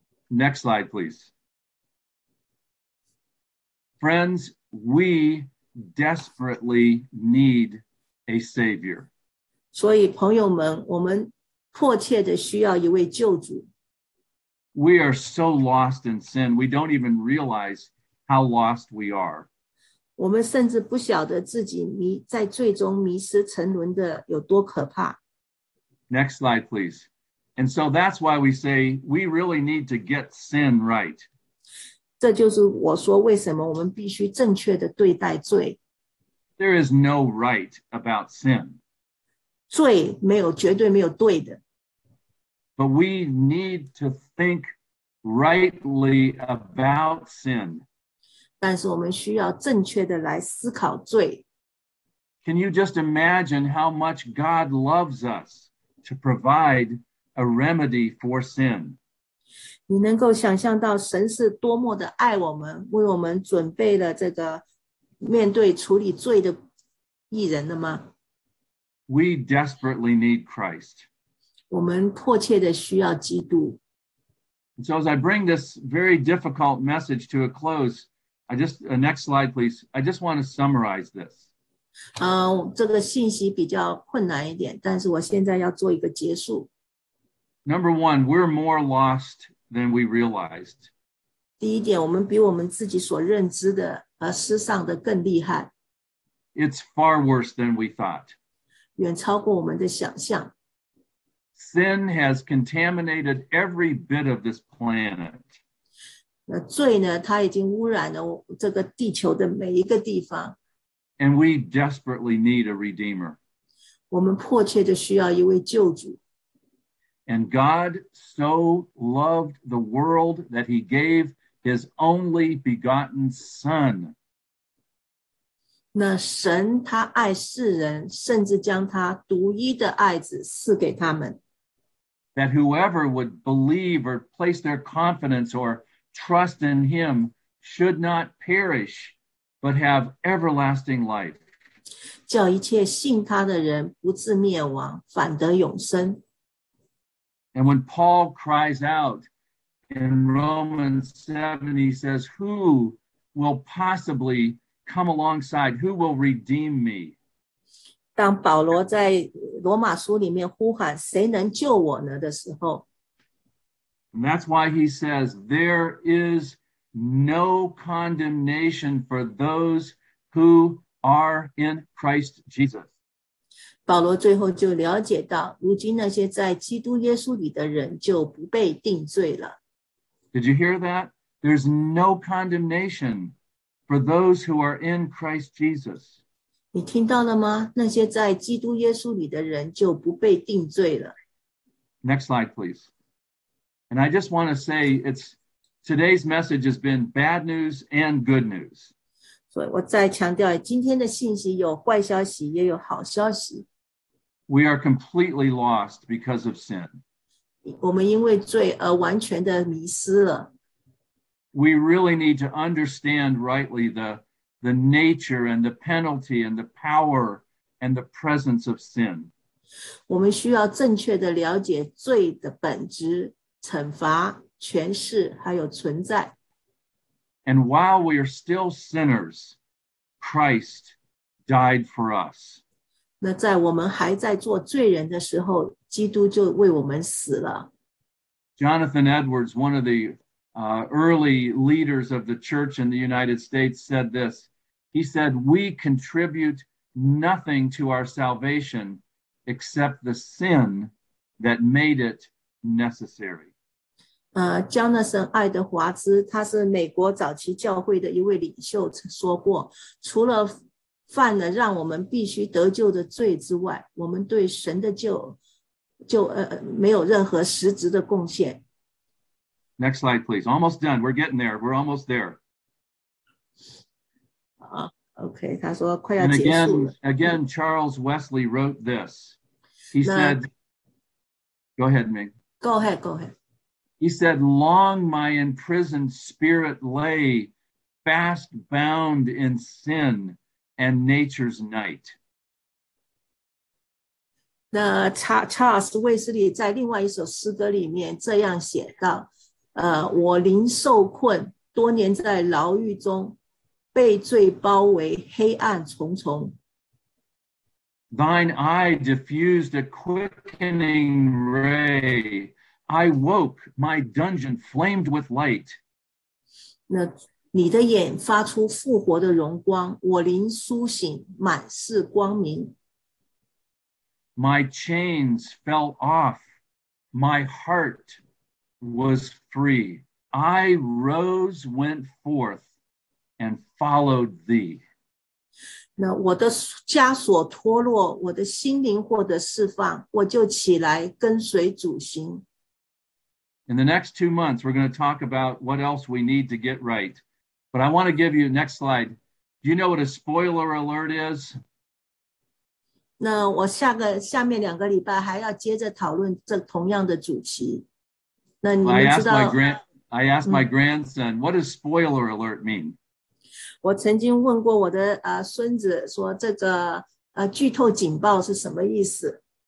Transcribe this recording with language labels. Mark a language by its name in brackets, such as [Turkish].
[English] Next slide, please. Friends, we desperately need a savior. [Chinese] 所以朋友们，我们迫切的需要一位救主。 [English] We are so lost in sin, we don't even realize how lost we are. [Chinese] 我们甚至不晓得自己在罪中迷失沉沦的有多可怕。 [English] Next slide, please. And so that's why we say we really need to get sin right. [Chinese] 这就是我说为什么我们必须正确的对待罪。 [English] There is no right about sin. [Chinese] 罪没有，绝对没有对的。 [English] But we need to think rightly about sin. [Chinese] 但是我们需要正确的来思考罪。 [English] Can you just imagine how much God loves us to provide a remedy for sin? [Chinese] 你能够想象到神是多么的爱我们，为我们准备了这个面对处理罪的义人的吗？ [English] We desperately need Christ. [Chinese] 我们迫切的需要基督。 [English] And so as I bring this very difficult message to a close, I just, next slide, please. I just want to summarize this. [Chinese] 这个信息比较困难一点，但是我现在要做一个结束。 [English] Number one, we're more lost than we realized. [Chinese] 第一点，我们比我们自己所认知的而失丧的更厉害。 [English] It's far worse than we thought. [Chinese] 远超过我们的想象。 [English] Sin has contaminated every bit of this planet. [Chinese] 罪呢，它已经污染了这个地球的每一个地方。 [English] And we desperately need a redeemer. [Chinese] 我们迫切的需要一位救主。 [English] And God so loved the world that he gave his only begotten son. [Chinese] 那神他爱世人，甚至将他独一的爱子赐给他们。 [English] That whoever would believe or place their confidence or trust in him should not perish, but have everlasting life. [Chinese] 叫一切信他的人不至灭亡，反得永生。 [English] And when Paul cries out in Romans 7, he says, Who will possibly come alongside? Who will redeem me? [Chinese] 当保罗在罗马书里面呼喊谁能救我呢的时候。 [English] And that's why he says, there is no condemnation for those who are in Christ Jesus. [Chinese] 保罗最后就了解到如今那些在基督耶稣里的人就不被定罪了。 [English] Did you hear that? There's no condemnation for those who are in Christ Jesus. [Chinese] 你听到了吗？那些在基督耶稣里的人就不被定罪了。 [English] Next slide, please. And I just want to say, it's today's message has been bad news and good news. [Chinese] 所以我再强调，今天的信息有坏消息，也有好消息。 [English] We are completely lost because of sin. [Chinese] 我们因为罪而完全的迷失了。 [English] We really need to understand rightly the nature and the penalty and the power and the presence of sin. [Chinese] 我们需要正确的了解罪的本质、惩罚、权势还有存在。 [English] And while we are still sinners, Christ died for us. [Chinese] 那在我们还在做罪人的时候，基督就为我们死了。 [English] Jonathan Edwards, one of the early leaders of the church in the United States said this. He said, we contribute nothing to our salvation except the sin that made it necessary. [Chinese] Jonathan 爱德华兹他是美国早期教会的一位领袖说过，除了犯了让我们必须得救的罪之外，我们对神的救没有任何实质的贡献。 [English] Next slide, please. Almost done. We're getting there. We're almost there. [Chinese] Okay. 他说快要结束了。 [English] And again, Charles Wesley wrote this. He said, go ahead, Ming. Go ahead. He said, long my imprisoned spirit lay fast bound in sin and nature's night. [Chinese] 那 Charles Wesley 在另外一首诗歌里面这样写道。我灵受困，多年在牢狱中，被罪包围，黑暗重重。 [English] Thine eye diffused a quickening ray. I woke, my dungeon flamed with light. [Chinese] 那你的眼发出复活的荣光，我灵苏醒，满是光明。 [English] My chains fell off, my heart was free. I rose, went forth, and followed thee. [Chinese] 那我的枷锁脱落，我的心灵获得释放，我就起来跟随主行。 [English] In the next 2 months, we're going to talk about what else we need to get right But I want to give you, next slide. Do you know what a spoiler alert is? [Chinese] 那我下个下面两个礼拜还要接着讨论这同样的主题。那你们知道 [English] I asked my grandson, what does spoiler alert mean? [Chinese] 我曾经问过我的孙子说这个剧透警报是什么意思。